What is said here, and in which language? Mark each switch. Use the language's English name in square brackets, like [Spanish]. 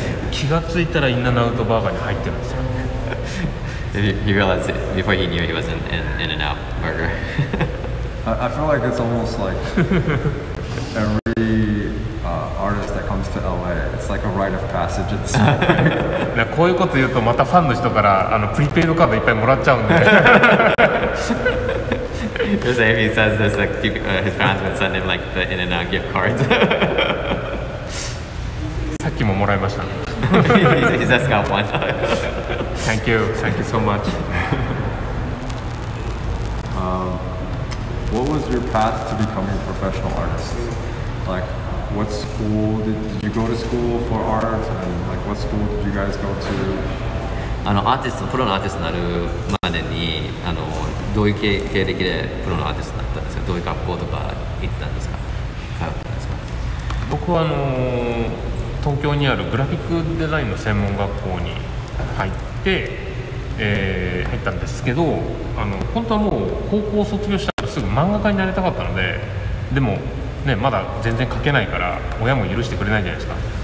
[Japanese] 気がついたら In-N-Out burger に入ってるんですよ。 [English] He realized it before he knew he was in an In-N-Out burger. I feel like it's almost like every artist that comes to LA, it's like a rite of passage. It's [Japanese] なこういうこと言うとまたファンの人からあのプリペイドカードいっぱいもらっちゃうんで。 [English] Just if he says this, like his fans would send him like the in and out gift cards. [Japanese] さっきももらいました。 [English] He just got one. Thank you so much. What was your path to becoming a professional artist? Like, what school did you go to school for art? And like, what school did you guys go to? [Japanese] あのアーティスト、プロのアーティストになるまでにあのどういう経歴でプロのアーティストになったんですか？どういう学校とか行ったんですか？通ったんですか？僕はあの東京にあるグラフィックデザインの専門学校に入って、入ったんですけど、あの本当はもう高校を卒業したらすぐ漫画家になりたかったので、でも、ね、まだ全然描けないから親も許してくれないじゃないですか。